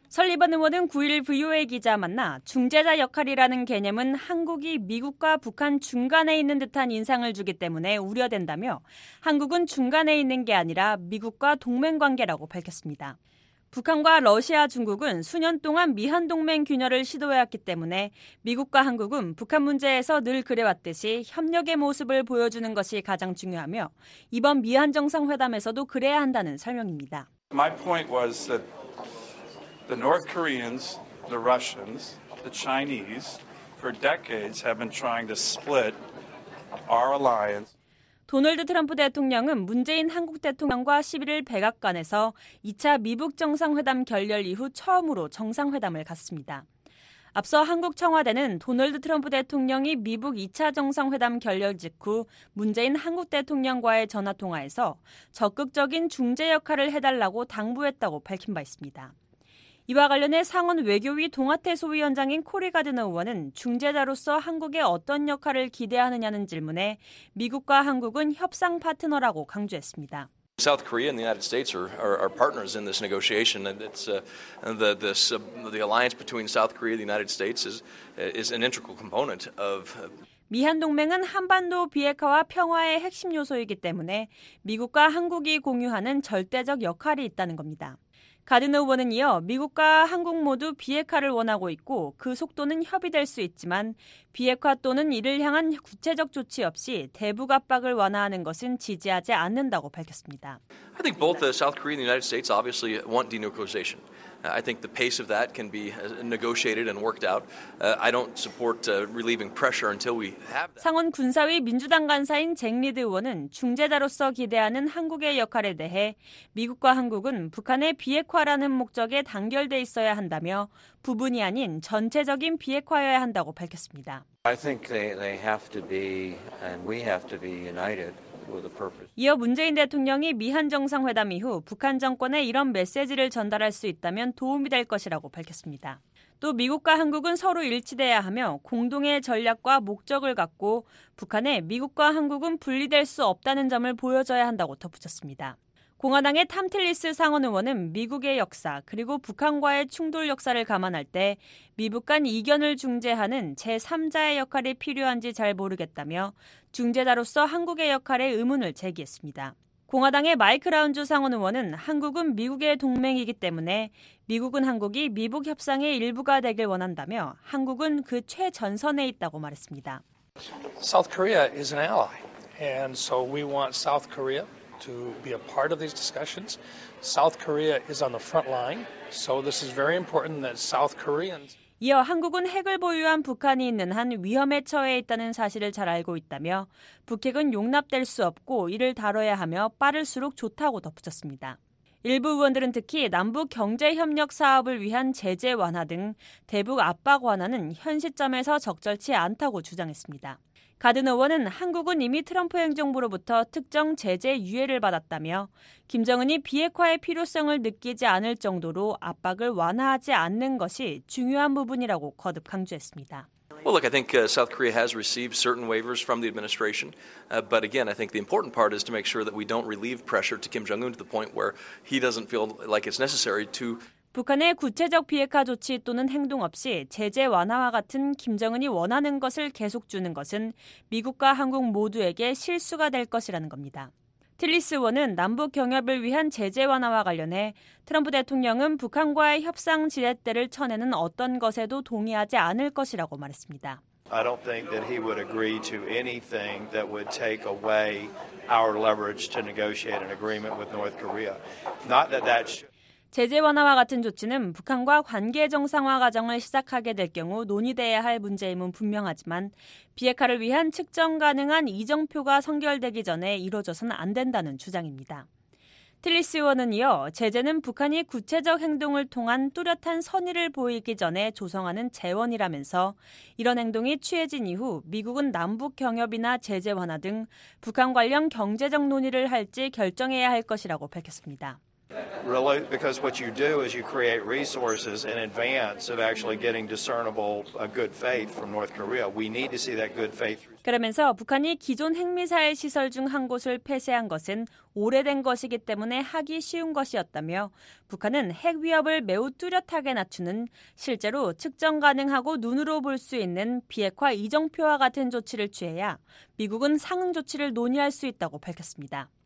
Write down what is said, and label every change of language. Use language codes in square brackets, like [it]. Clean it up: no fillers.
[ko] 설리번 의원은 9일 VOA 기자 만나 중재자 역할이라는 개념은 한국이 미국과 북한 중간에 있는 듯한 인상을 주기 때문에 우려된다며 한국은 중간에 있는 게 아니라 미국과 동맹관계라고 밝혔습니다. 북한과 러시아, 중국은 수년 동안 미한동맹 균열을 시도해왔기 때문에 미국과 한국은 북한 문제에서 늘 그래왔듯이 협력의 모습을 보여주는 것이 가장 중요하며 이번 미한정상회담에서도 그래야 한다는 설명입니다. [en] My point was that the North Koreans, the Russians, the Chinese for decades have been trying to split our alliance. [ko] 도널드 트럼프 대통령은 문재인 한국 대통령과 11일 백악관에서 2차 미북 정상회담 결렬 이후 처음으로 정상회담을 갔습니다. 앞서 한국 청와대는 도널드 트럼프 대통령이 미북 2차 정상회담 결렬 직후 문재인 한국 대통령과의 전화통화에서 적극적인 중재 역할을 해달라고 당부했다고 밝힌 바 있습니다. 이와 관련해 상원 외교위 동아태 소위원장인 코리 가드너 의원은 중재자로서 한국의 어떤 역할을 기대하느냐는 질문에 미국과 한국은 협상 파트너라고 강조했습니다. [en] South Korea and the United States are partners in this negotiation, and it's the alliance between South Korea and the United States is an integral component of. [ko] 미한동맹은 한반도 비핵화와 평화의 핵심 요소이기 때문에 미국과 한국이 공유하는 절대적 역할이 있다는 겁니다. 가드너 의원은 이어 미국과 한국 모두 비핵화를 원하고 있고 그 속도는 협의될 수 있지만 비핵화 또는 이를 향한 구체적 조치 없이 대북 압박을 완화하는 것은 지지하지 않는다고 밝혔습니다. [en] I think both the South Korea and the United States obviously want denuclearization. I think the pace of that can be negotiated and worked out. I don't support relieving pressure until we have that. [ko] 상원 군사위 민주당 간사인 잭 리드 의원은 중재자로서 기대하는 한국의 역할에 대해 미국과 한국은 북한의 비핵화라는 목적에 단결돼 있어야 한다며 부분이 아닌 전체적인 비핵화여야 한다고 밝혔습니다. [en] I think they have to be and we have to be united. [ko] 이어 문재인 대통령이 미한정상회담 이후 북한 정권에 이런 메시지를 전달할 수 있다면 도움이 될 것이라고 밝혔습니다. 또 미국과 한국은 서로 일치돼야 하며 공동의 전략과 목적을 갖고 북한에 미국과 한국은 분리될 수 없다는 점을 보여줘야 한다고 덧붙였습니다. 공화당의 탐틸리스 상원 의원은 미국의 역사 그리고 북한과의 충돌 역사를 감안할 때 미북 간 이견을 중재하는 제3자의 역할이 필요한지 잘 모르겠다며 중재자로서 한국의 역할에 의문을 제기했습니다. 공화당의 마이크 라운주 상원 의원은 한국은 미국의 동맹이기 때문에 미국은 한국이 미북 협상의 일부가 되길 원한다며 한국은 그 최전선에 있다고 말했습니다. [en] South Korea is an ally and so we want South Korea to be a part of these discussions. South Korea is on the front line, so this is very important that South Koreans. [ko] 이어 한국은 핵을 보유한 북한이 있는 한 위험에 처해 있다는 사실을 잘 알고 있다며 북핵은 용납될 수 없고 이를 다뤄야 하며 빠를수록 좋다고 덧붙였습니다. 일부 의원들은 특히 남북 경제 협력 사업을 위한 제재 완화 등 대북 압박 완화는 현 시점에서 적절치 않다고 주장했습니다. 가든 의원은 한국은 이미 트럼프 행정부로부터 특정 제재 유예를 받았다며 김정은이 비핵화의 필요성을 느끼지 않을 정도로 압박을 완화하지 않는 것이 중요한 부분이라고 거듭 강조했습니다. [en] Well, look, I think South Korea has received certain waivers from the administration. But again, I think the important part is to make sure that we don't relieve pressure to Kim Jong-un to the point where he doesn't feel like it's necessary to [ko] 북한의 구체적 비핵화 조치 또는 행동 없이 제재 완화와 같은 김정은이 원하는 것을 계속 주는 것은 미국과 한국 모두에게 실수가 될 것이라는 겁니다. 틸리스 의원은 남북 경협을 위한 제재 완화와 관련해 트럼프 대통령은 북한과의 협상 지렛대를 쳐내는 어떤 것에도 동의하지 않을 것이라고 말했습니다. [en] I don't think that he would agree to anything that would take away our leverage to negotiate an agreement with North Korea. Not that that should [ko] 제재 완화와 같은 조치는 북한과 관계 정상화 과정을 시작하게 될 경우 논의돼야 할 문제임은 분명하지만 비핵화를 위한 측정 가능한 이정표가 선결되기 전에 이루어져선 안 된다는 주장입니다. 틸리스 의원은 이어 제재는 북한이 구체적 행동을 통한 뚜렷한 선의를 보이기 전에 조성하는 재원이라면서 이런 행동이 취해진 이후 미국은 남북 경협이나 제재 완화 등 북한 관련 경제적 논의를 할지 결정해야 할 것이라고 밝혔습니다. [en] Really, because what you do is you create resources in advance of actually getting discernible good faith from North Korea. We need to see that good faith. [ko] 그러면서 북한이 기존 핵미사일 시설 중 한 곳을 폐쇄한 것은 오래된 것이기 때문에 하기 쉬운 것이었다며 북한은 핵 위협을 매우 뚜렷하게 낮추는 실제로 측정 가능하고 눈으로 볼 수 있는 비핵화 이정표와 같은 조치를 취해야 미국은 상응 조치를 논의할 수 있다고 밝혔습니다.